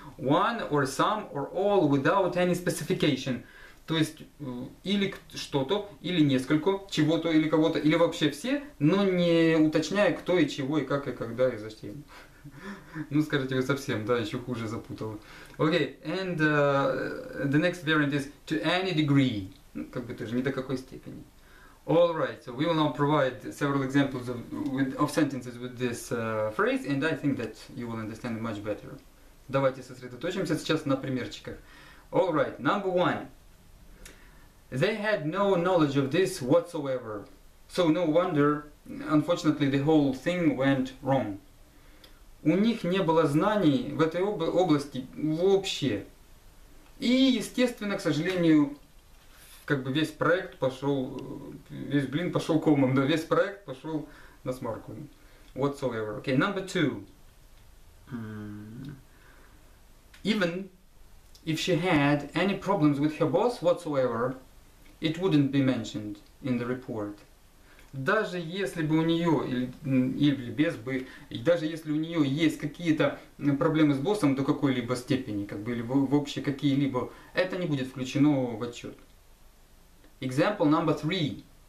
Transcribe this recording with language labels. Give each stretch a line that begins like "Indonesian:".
English: One, or some, or all, without any specification.
Russian: То есть, или что-то, или несколько, чего-то, или кого-то, или вообще все, но не уточняя, кто и чего, и как, и когда, и зачем. Ну, скажите, вы совсем, да, еще хуже запутал.
English: Окей, and the next variant is to any degree.
Russian: Ну, как бы тоже, ни до какой степени.
English: All right, so we will now provide several examples of sentences with this phrase, and I think that you will understand it much better.
Russian: Давайте сосредоточимся сейчас на примерчиках.
English: All right, number one. They had no knowledge of this whatsoever. So no wonder, unfortunately, the whole thing went wrong.
Russian: У них не было знаний в этой области вообще. И, естественно, к сожалению, как бы весь проект пошел, весь блин пошел комом, да, весь проект пошел на смарку.
English: Whatsoever. Okay, number two. Even if she had any problems with her boss whatsoever, it wouldn't be mentioned in the report.
Russian: Даже если бы у нее, или без бы, и даже если у нее есть какие-то проблемы с боссом до какой-либо степени, как бы, или вообще какие-либо, это не будет включено в отчет.
English: Example number three.